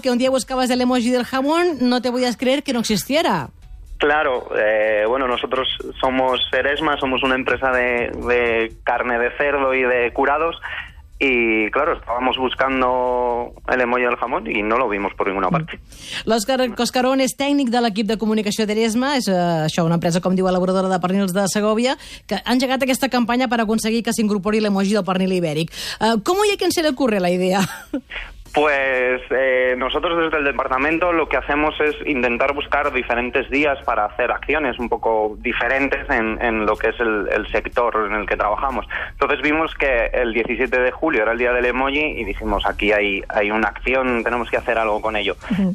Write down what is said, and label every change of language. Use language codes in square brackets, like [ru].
[es] Que un día buscabas el emoji del jamón, no te podías creer que no existiera. Claro, bueno, nosotros somos Seresma, somos una empresa de carne de cerdo y de curados. Y claro, estábamos buscando el emoji del jamón y no lo vimos por ninguna parte. [ca] L'Òscar Coscarón és tècnic de l'equip de comunicació d'Eresma, és això, una empresa, com diu, elaboradora de pernils de Segòvia, que ha engegat aquesta campanya per aconseguir que s'incorpori l'emoji del pernil ibèric. [es] ¿Cómo y a quién se le ocurre la idea? Pues nosotros desde el departamento lo que hacemos es intentar buscar diferentes días para hacer acciones un poco diferentes en lo que es el sector en el que trabajamos. Entonces vimos que el 17 de julio era el día del emoji y dijimos, aquí hay una acción, tenemos que hacer algo con ello. Uh-huh.